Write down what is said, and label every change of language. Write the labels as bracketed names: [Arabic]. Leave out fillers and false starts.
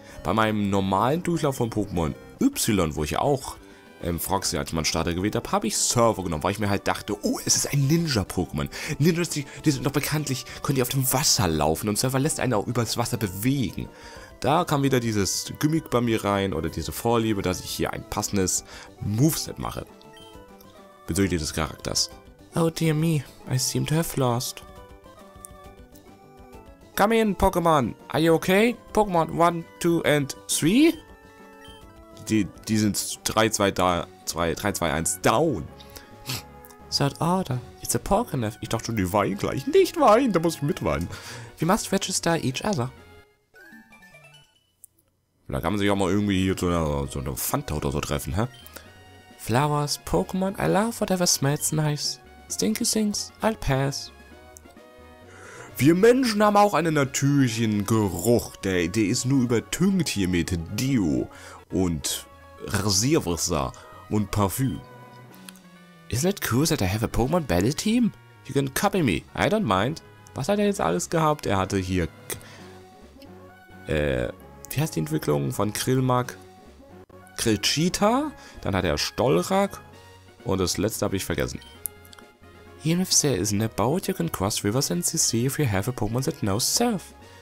[German] Bei meinem normalen Durchlauf von Pokémon Y, wo ich auch Froxy als mein Starter gewählt habe, habe ich Surfer genommen, weil ich mir halt dachte, oh, es ist ein Ninja-Pokémon. Ninjas, die sind doch bekanntlich, können die auf dem Wasser laufen und Surfer lässt einen auch übers Wasser bewegen. Da kam wieder dieses Gimmick bei mir rein oder diese Vorliebe, dass ich hier ein passendes Moveset mache. Bezüglich des Charakters. [English] Oh dear me, I seem to have lost. Come in, Pokémon. Are you okay? Pokémon 1, 2 and 3? [German] Die sind 3, 2, 1 down. [English] Third order. It's a Pokénef. [German] Ich dachte schon, die weinen gleich. Nicht weinen, da muss ich mitweinen. [English] We must register each other. [German] Da kann man sich auch mal irgendwie hier zu einer Fanta oder so treffen, hä? [English] Flowers, Pokémon, I love whatever smells nice. Stinky things, I'll pass. [German] Wir Menschen haben auch einen natürlichen Geruch. Der ist nur übertüngt hier mit Dio und Rasierwasser und Parfüm. [English] Isn't it cool that I have a Pokémon battle team? You can copy me, I don't mind. [German] Was hat er jetzt alles gehabt? Er hatte hier... wie heißt die Entwicklung von Krillmark? Krillchita, dann hat er Stolrak und das letzte habe ich vergessen. [English] Even if there isn't a boat, you can cross rivers and see if you have a Pokémon that knows surf.